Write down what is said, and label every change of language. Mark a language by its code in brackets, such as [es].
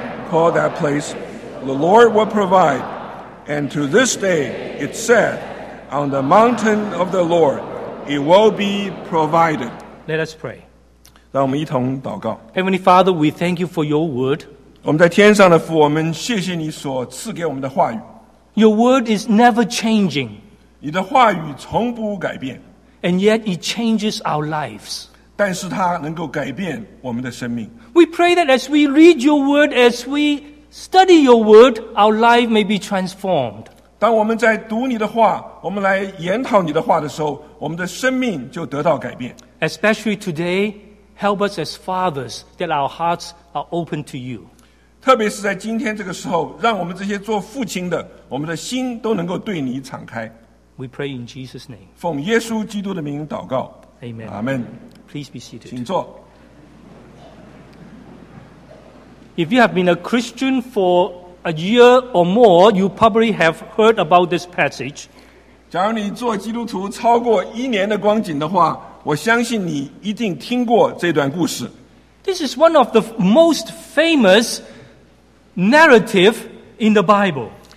[en] Call that place, "The Lord will provide." And to this day it said, "On the mountain of the Lord it will be provided." Let us pray. [zh] 让我们一同祷告。 [en] Heavenly Father, we thank you for your word. [zh] 我们在天上的父，我们谢谢你所赐给我们的话语。 [en] Your word is never changing. [zh] 你的话语从不改变。 [en] And yet it changes our lives. [zh] 但是它能够改变我们的生命。 [en] We pray that as we read your word, as we study your word, our life may be transformed. [zh] 当我们在读你的话，我们来研讨你的话的时候，我们的生命就得到改变。 [en] Especially today, help us as fathers that our hearts are open to you. [zh] 特别是在今天这个时候，让我们这些做父亲的，我们的心都能够对你敞开。 [en] We pray in Jesus' name. [zh] 奉耶稣基督的名祷告。 [en] Amen. Amen. Please be seated. [zh] 请坐。 [en] If you have been a Christian for a year or more, you probably have heard about this passage. [zh] 假如你做基督徒超过一年的光景的话，我相信你一定听过这段故事。 [en] This is one of the most famous narrative in the Bible.